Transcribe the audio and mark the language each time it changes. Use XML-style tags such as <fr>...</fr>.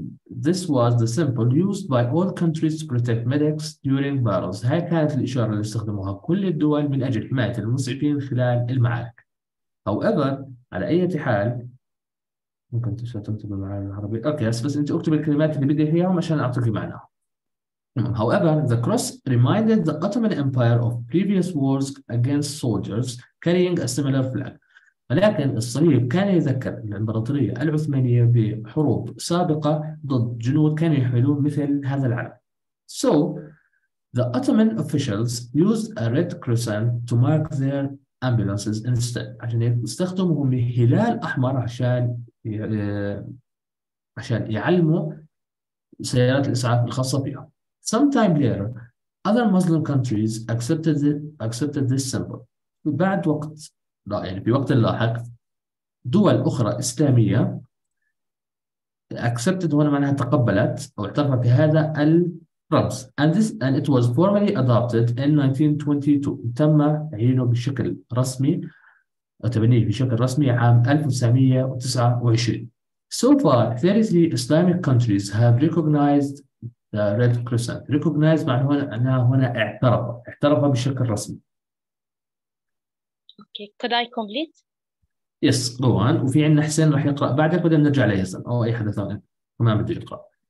<en>This was the symbol used by all countries to protect medics during battles.</en> <ar>هاي كانت الإشارة اللي استخدموها كل الدول من أجل حماية المسعفين خلال المعارك. However على أي حال ممكن تكتب المعاني العربية. أوكي بس أنت أكتب الكلمات اللي بدي فيها عشان أعطيكي معناها.</ar> <en>However, the cross reminded the Ottoman Empire of previous wars against soldiers carrying a similar flag.</en> <ar>ولكن الصليب كان يذكر الإمبراطورية العثمانية بحروب سابقة ضد جنود كانوا يحملون مثل هذا العلم.</ar> <en>So, the Ottoman officials used a red crescent to mark their ambulances instead.</en> <ar>عشان يستخدموا هلال أحمر عشان يعلموا سيارات الإسعاف الخاصة بها.</ar> <en>Sometime later, other Muslim countries accepted this symbol.</en> <ar>بعد وقت لا يعني في وقت لاحق دول أخرى إسلامية accepted هنا معناها تقبلت أو اعترفت بهذا الرمز.</ar> <en>And it was formally adopted in 1922.</en> <ar>تم تعيينه بشكل رسمي أو تبنيه بشكل رسمي عام 1929.</ar> <en>So far, 33 Islamic countries have recognized The Red Crescent.</en> <ar>Recognize معناها هنا اعترف بشكل رسمي.</ar> <en>Okay, could I complete? Yes, go on.</en> <ar>وفي عندنا حسين راح يقرأ بعدك بدنا نرجع ليزن أو أي حدا ثاني كمان بده يقرأ.</ar>